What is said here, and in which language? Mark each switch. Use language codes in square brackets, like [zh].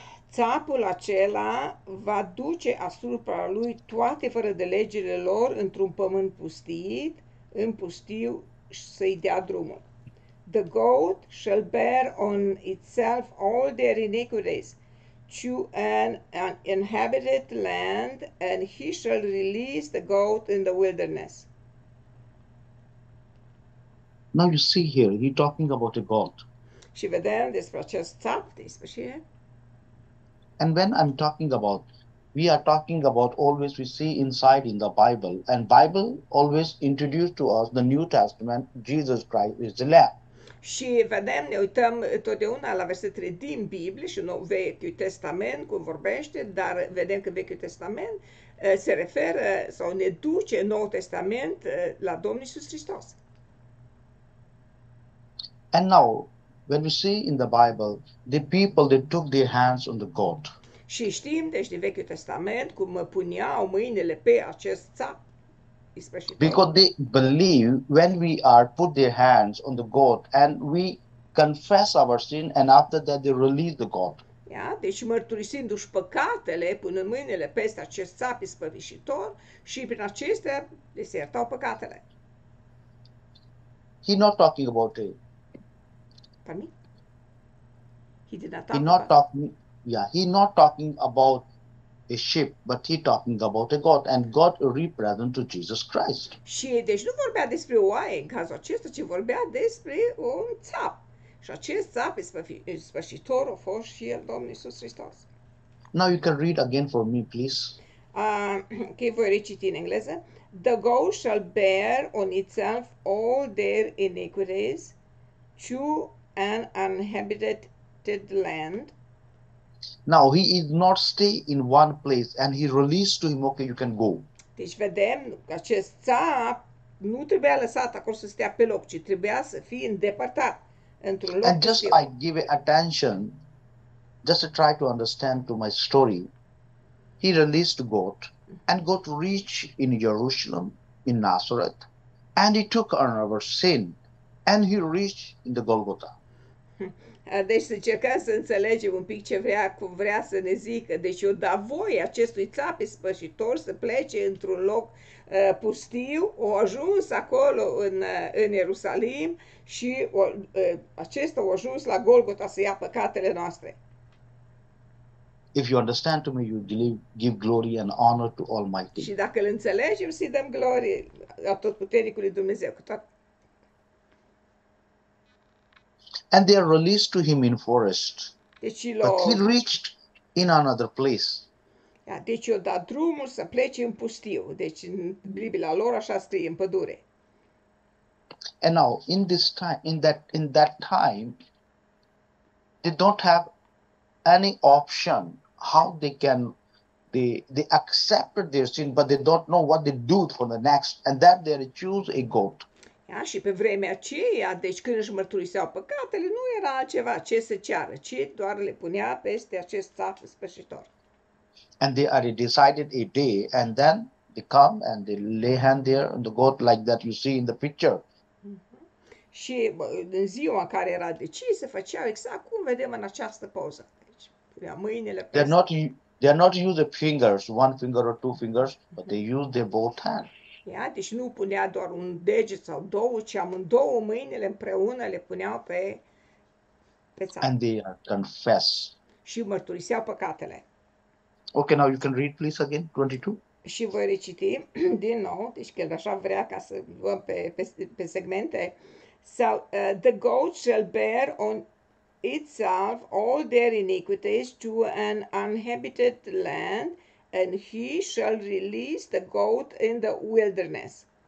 [ro] Țapul acela va duce asupra lui toate fără de legile lor într-un pământ pustit, în pustiu să-i dea drumul. [en] The goat shall bear on itself all their iniquities to an inhabited land, and he shall release the goat in the wilderness. Now you see here, he talking about a goat. [ro] Și vedem despre acest țap de ispășire. [en] And when I'm talking about, we are talking about always we see inside in the Bible, and Bible always introduced to us the New Testament, Jesus Christ is the Lamb. [ro] Și vedem, ne uităm totdeauna la versetele din Biblie și nou Vechiul Testament, cum vorbește, dar vedem că Vechiul Testament se referă sau ne duce în Noul Testament la Domnul Iisus Hristos. [en] And now, when we see in the Bible, the people, they took their hands on the goat. [ro] Și știm, deci, din Vechiul Testament, cum puneau mâinile pe acest țap. [en] Because they believe when we are put their hands on the goat and we confess our sin and after that they release the goat. [ro] Ia, deci mărturisindu-și păcatele, punând mâinile peste acest țap ispășitor și prin acestea le se iertau păcatele. [en] He not talking about it. Pardon me? He did not talk he not about talking, it. Yeah, he not talking about a sheep, but he talking about a goat, and God represent to Jesus Christ. [ro] Și deci nu vorbea despre oaie în cazul acesta, ci vorbea despre un țap. Și acest țap ispășitor a fost și el, Domnul Iisus Hristos. [en] Now you can read again for me, please. [ro] Okay, voi reciti în engleză. [en] The goat shall bear on itself all their iniquities to an uninhabited land. Now he is not stay in one place and he released to him, okay, you can go. [ro] Deci vedem că acest țap nu trebuia lăsat acolo să stea pe loc, ci trebuia să fie îndepărtat într-un loc. [en] And just I give attention, just to try to understand to my story. He released God and God reached in Jerusalem, in Nazareth, and he took on our sin and he reached in the Golgotha. [ro] Deci să încercăm să înțelegem un pic ce vrea, cum vrea să ne zică. Deci eu da voie acestui țap ispășitor să plece într-un loc pustiu, o ajuns acolo în Ierusalim și acesta a ajuns la Golgota să ia păcatele noastre. [en] If you understand to me, you give glory and honor to Almighty. [ro] Și dacă îl înțelegem, să-i dăm glorie a Totputernicului Dumnezeu cu toată. [en] And they are released to him in forest. [ro] Deci, [en] but he reached in another place. [ro] Yeah, deci i-a dat drumul să plece în pustiu. Deci în Biblia lor așa scrie, în pădure. [en] And now in this time, in that time, they don't have any option how they accepted their sin, but they don't know what they do for the next, and that they choose a goat. [ro] Ia, și pe vremea aceea, deci când își mărturiseau păcatele, nu era altceva ce să ceară, ci doar le punea peste acest țap ispășitor. [en] And they are decided a day and then they come and they lay hand there on the goat like that you see in the picture. [ro] Și în ziua în care era decis, se făceau exact cum vedem în această poză. Deci, punea mâinile peste. [en] They are not use the fingers, one finger or two fingers, but they use their both hands. [ro] Ia, deci nu punea doar un deget sau două, ci amândouă mâinile împreună le puneau pe țap. [en] And they confess. [ro] Și mărturiseau păcatele. [en] Okay, now you can read please again, 22. [ro] Și voi reciti din nou, deci că el așa vrea ca să luăm pe segmente. [en] So, the goat shall bear on itself all their iniquities to an uninhabited land, and he shall release the goat in the wilderness.